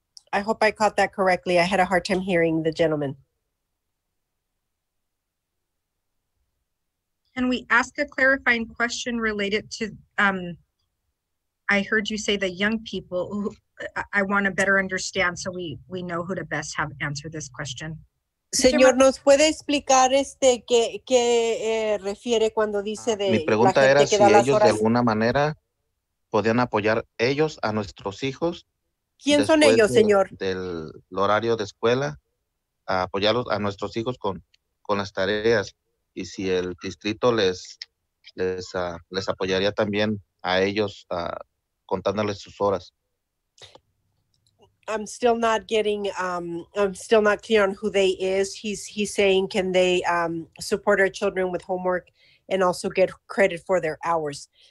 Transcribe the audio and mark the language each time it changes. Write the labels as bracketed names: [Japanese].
[English] I hope I caught that correctly. I had a hard time hearing the gentleman. Can we ask a clarifying question related to, I heard you say the young people, who, I want to better understand so we know who to best have answer this question. [Spanish] Señor, ¿nos puede explicar qué refiere cuando dice de mi pregunta la gente era que si da ellos de alguna manera podían apoyar ellos a nuestros hijos? ¿Quién son ellos, señor? Del horario de escuela, a apoyarlos a nuestros hijos con las tareas y si el distrito les apoyaría también a ellos contándoles sus horas. [English] I'm still not getting, I'm still not clear on who they is. He's saying, can they support our children with homework and also get credit for their hours?